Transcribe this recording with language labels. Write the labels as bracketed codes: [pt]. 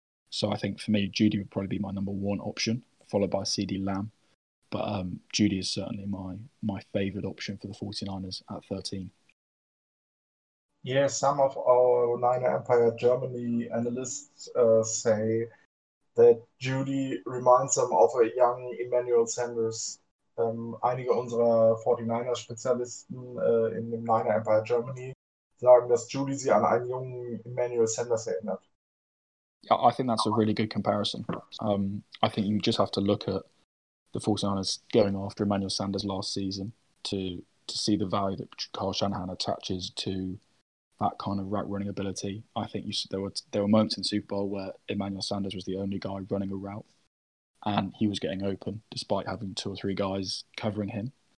[en] So I think for me, Judy would probably be my number one option, followed by CeeDee Lamb, but Judy is certainly my favorite option for the 49ers at 13. Yeah, some of our Niner Empire Germany analysts say that Judy reminds them of a young Emmanuel Sanders. [de] Einige unserer 49er-Spezialisten in dem Niner Empire Germany sagen, dass Judy sie an einen jungen Emmanuel Sanders erinnert. [en] I think that's a really good comparison. I think you just have to look at the 49ers going after Emmanuel Sanders last season to see the value that Kyle Shanahan attaches to that kind of route running ability. I think there were moments in Super Bowl where Emmanuel Sanders was the only guy running a route and he was getting open despite having two or three guys covering him.